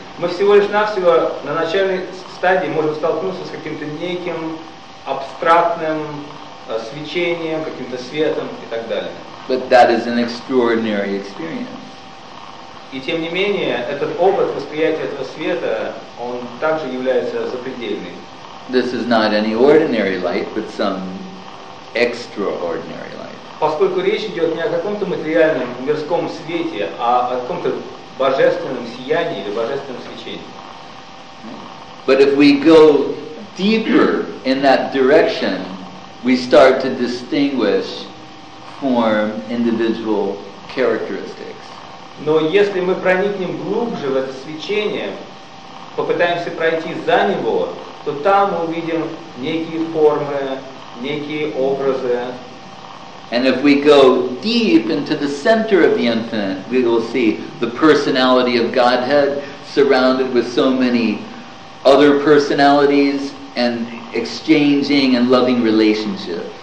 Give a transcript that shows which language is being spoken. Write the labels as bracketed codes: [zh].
[ru] Мы всего лишь навсего на начальной стадии можем столкнуться с каким-то неким абстрактным свечением, каким-то светом и так далее. [en] But that is an extraordinary experience. [ru] И тем не менее, этот опыт восприятия этого света, он также является запредельным. [en] This is not any ordinary light, but some extraordinary light. [ru] Поскольку речь идет не о каком-то материальном мирском свете, а о каком-то божественном сиянии или божественном свечении. [en] But if we go deeper in that direction, we start to distinguish form, individual characteristics. [ru] Но если мы проникнем глубже в это свечение, попытаемся пройти за него, то там мы увидим некие формы, некие образы. [en] And if we go deep into the center of the infinite, we will see the personality of Godhead surrounded with so many other personalities and exchanging and loving relationship.